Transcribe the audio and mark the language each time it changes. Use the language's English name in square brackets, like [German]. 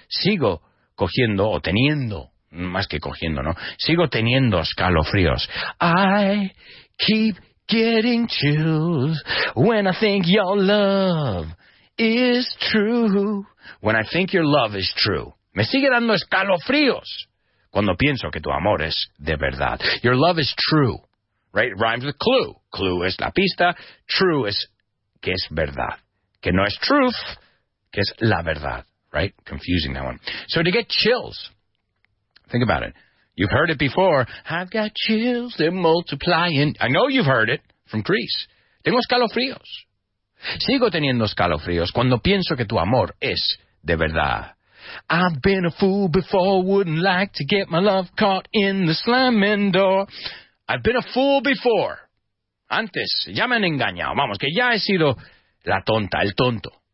[Spanish] Sigo cogiendo o teniendo, más que cogiendo, ¿no? Sigo teniendo escalofríos. [English] I keep getting chills when I think your love is true. When I think your love is true. [Spanish] Me sigue dando escalofríos cuando pienso que tu amor es de verdad. [English] Your love is true, right? It rhymes with clue. [Spanish] Clue es la pista. True es que es verdad. Que no es truth, que es la verdad. [English] Right? Confusing that one. So to get chills, think about it. You've heard it before. I've got chills, they're multiplying. I know you've heard it from Greece. [Spanish] Tengo escalofríos. Sigo teniendo escalofríos cuando pienso que tu amor es de verdad. [English] I've been a fool before, wouldn't like to get my love caught in the slamming door. I've been a fool before. [Spanish] Antes, ya me han engañado. Vamos, que ya he sido la tonta, el tonto.